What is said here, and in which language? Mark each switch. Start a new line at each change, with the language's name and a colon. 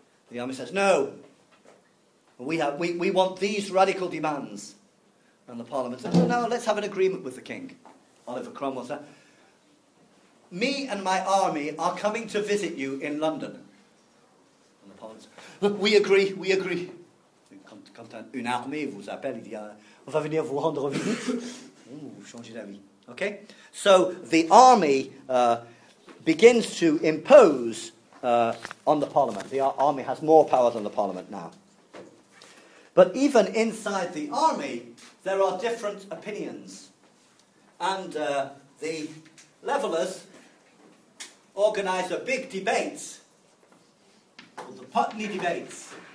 English: The army says, no, we want these radical demands. And the Parliament says, no, let's have an agreement with the King. Oliver Cromwell said, me and my army are coming to visit you in London. And the Parliament says, we agree.
French: Quand une armée vous appelle, il dit, on va venir vous rendre visite. Vous changez d'avis. Okay?
English: So the army begins to impose on the Parliament. The army has more power than the Parliament now. But even inside the army, there are different opinions. And the levellers organise a big debate, called the Putney Debates.